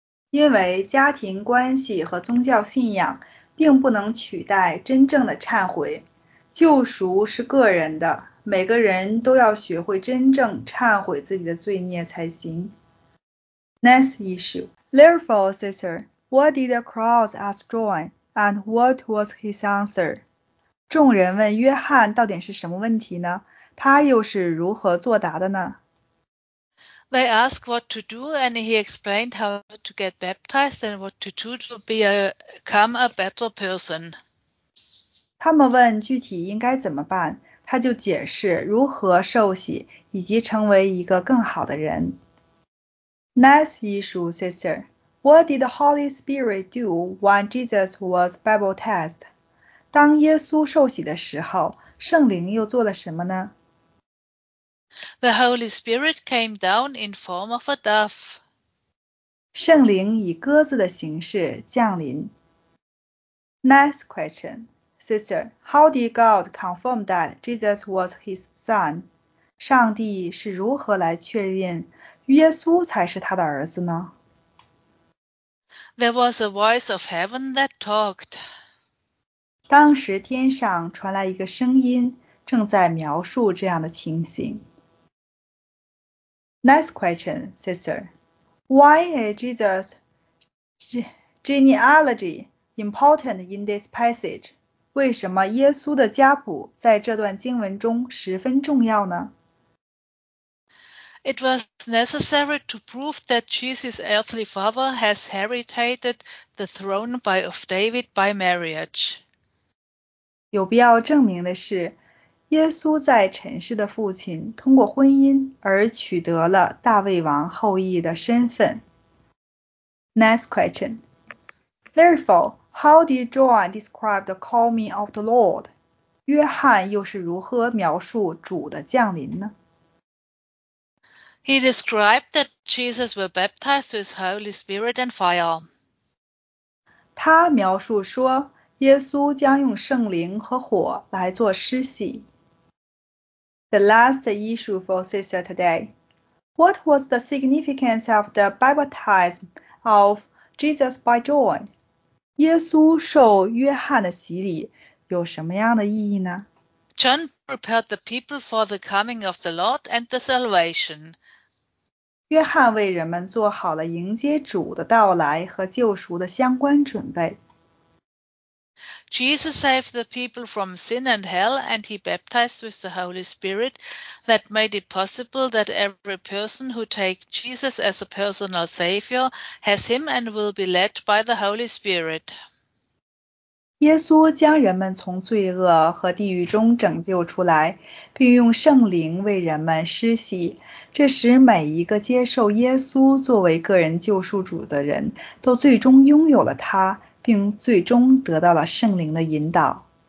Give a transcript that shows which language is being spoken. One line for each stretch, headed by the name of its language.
Chinese: 因为家庭关系和宗教信仰并不能取代真正的忏悔，救赎是个人的，每个人都要学会真正忏悔自己的罪孽才行。
English: Next issue. Therefore, sister, what did the crowd ask John, and what was his answer?
Chinese: 众人问约翰到底是什么问题呢？他又是如何作答的呢？
English: They asked what to do, and he explained how to get baptized and what to do to become a better person.
Chinese: 他们问具体应该怎么办，他就解释如何受洗以及成为一个更好的人。
English: Next issue, sister. What did the Holy Spirit do when Jesus was baptized?
Chinese: 当耶稣受洗的时候，圣灵又做了什么呢？
English: The Holy Spirit came down in form of a dove.
Chinese: 圣灵以鸽子的形式降临。
English: Next question. Sister, how did God confirm that Jesus was his son?
Chinese: 上帝是如何来确认耶稣才是他的儿子呢？
English: There was a voice of heaven that talked.
Chinese: 当时天上传来一个声音，正在描述这样的情形。
English: Next question, Sister. Why is Jesus' genealogy important in this passage?
Chinese: 为什么耶稣的家谱在这段经文中十分重要呢？
English: It was necessary to prove that Jesus' earthly father has inherited the throne of David by marriage.
Chinese: 有必要证明的是，耶稣在尘世的父亲通过婚姻而取得了大卫王后裔的身份。
English: Next question. Therefore, how did John describe the coming of the Lord?
Chinese: 约翰又是如何描述主的降临呢？
English: He described that Jesus was baptized with Holy Spirit and fire.
Chinese: 他描述说，耶稣将用圣灵和火来做施洗。
English: The last issue for sister today. What was the significance of the baptism of Jesus by John?
Chinese: 耶稣受约翰的洗礼有什么样的意义呢？
English: John prepared the people for the coming of the Lord and the salvation.
Chinese: 约翰为人们做好了迎接主的到来和救赎的相关准备。
English: Jesus saved the people from sin and hell, and he baptized with the Holy Spirit that made it possible that every person who takes Jesus as a personal savior has him and will be led by the Holy Spirit.
Chinese: 耶稣将人们从罪恶和地狱中拯救出来，并用圣灵为人们施洗，这使每一个接受耶稣作为个人救赎主的人都最终拥有了他，并最终得到了圣灵的引导。